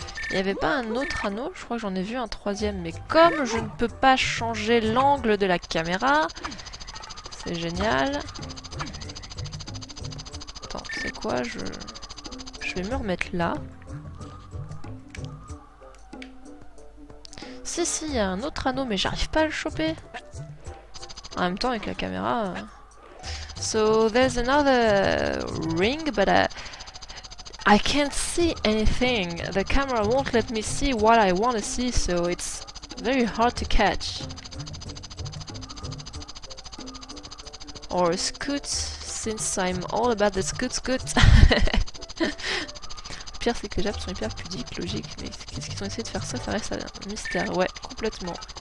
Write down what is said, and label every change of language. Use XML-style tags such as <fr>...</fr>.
<fr>Il n'y avait pas un autre anneau, je crois que j'en ai vu un troisième, mais comme je ne peux pas changer l'angle de la caméra, c'est génial. Attends, c'est quoi, je vais me remettre là. Si, si, il y a un autre anneau, mais j'arrive pas à le choper. En même temps, avec la caméra...</fr> <en>So, there's another ring, but I can't see anything. The camera won't let me see what I want to see, so it's very hard to catch. Or scoot, since I'm all about the scoot scoot.</en> <fr>Le pire, c'est que les Japs sont hyper pudiques, logique, mais qu'est-ce qu'ils ont essayé de faire ça? Ça reste un mystère, ouais, complètement.</fr>